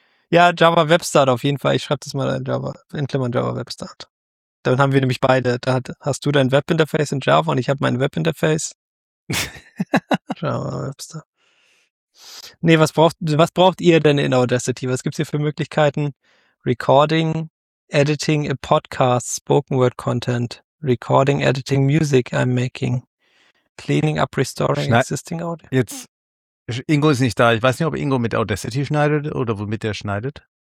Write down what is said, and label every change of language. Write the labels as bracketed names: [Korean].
[German] Ja, Java Webstart auf jeden Fall. Ich schreibe das mal in Java, in Klammern Java Webstart. Dann haben wir nämlich beide. Da hast du dein Webinterface in Java und ich habe mein Webinterface. Java Webstart. Nee, was braucht ihr denn in Audacity? Was gibt's hier für Möglichkeiten? [English] Recording, editing a podcast, spoken word content, recording, editing music I'm making, cleaning up, restoring existing audio. [German] Jetzt, Ingo ist nicht da. Ich weiß nicht, ob Ingo mit Audacity schneidet oder womit der schneidet.